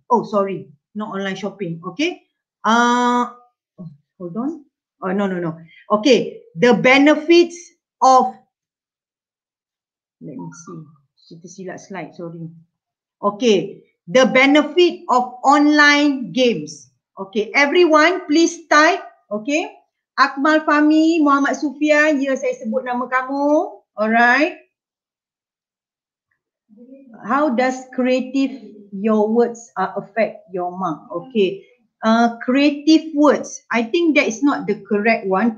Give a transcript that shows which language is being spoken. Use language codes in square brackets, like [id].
[en] Oh, sorry, not online shopping. Okay. Hold on. Oh, no. Okay. The benefits of. Let me see. [ms] Kita silap slide. [en] Sorry. Okay. The benefit of online games. Okay. Everyone, please type. Okay. [ms] Akmal Fahmi, Muhammad Sufian, ya saya sebut nama kamu. [en] Alright. How does creative your words affect your mark? Okay. Creative words. I think that is not the correct one.